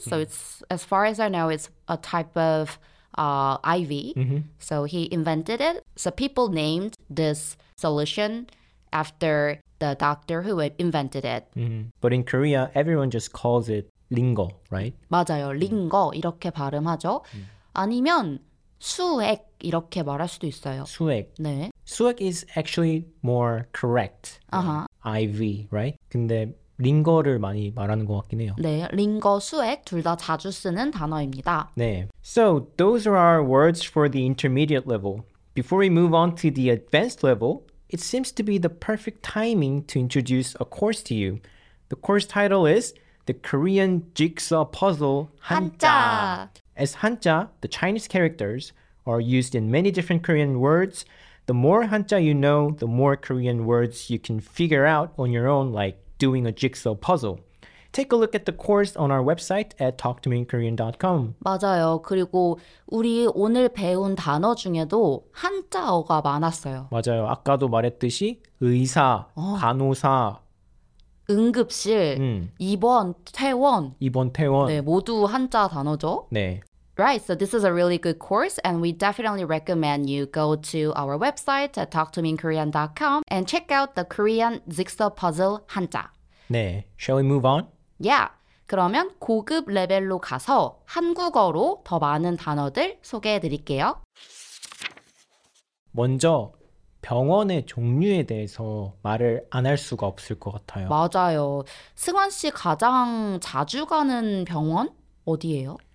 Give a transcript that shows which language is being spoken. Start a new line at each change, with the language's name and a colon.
English: So it's, as far as I know, it's a type of IV. So he invented it. So people named this solution after the doctor who invented it. But in Korea, everyone just calls it lingo, right?
Korean: 맞아요. lingo 이렇게 발음하죠. 아니면 수액 이렇게 말할 수도 있어요. 수액. 네.
English: 수액 is actually more correct. IV, right?
Korean: 근데 lingo를 많이 말하는 것 같긴 해요. 네. lingo, 수액 둘 다 자주 쓰는 단어입니다. 네.
English: So those are our words for the intermediate level. Before we move on to the advanced level, it seems to be the perfect timing to introduce a course to you. The course title is The Korean Jigsaw Puzzle 한자. 한자. As 한자, the Chinese characters, are used in many different Korean words, the more 한자 you know, the more Korean words you can figure out on your own, like doing a jigsaw puzzle. Take a look at the course on our website at talktomeinkorean.com.
Korean: 맞아요. 그리고 우리 오늘 배운 단어 중에도 한자어가 많았어요. 맞아요. 아까도 말했듯이 의사, 간호사, 응급실, 입원, 퇴원. 입원, 퇴원. 네, 모두 한자 단어죠. 네.
English: Right, so this is a really good course, and we definitely recommend you go to our website at talktomeinkorean.com and check out the Korean Jigsaw Puzzle 한자. 네, shall we move on?
Korean: Yeah, 그러면 고급 레벨로 가서 한국어로 더 많은 단어들 소개해드릴게요. 먼저, 병원의 종류에 대해서 말을 안 할 수가 없을 것 같아요. 맞아요. 승환 씨 가장 자주 가는 병원 어디예요?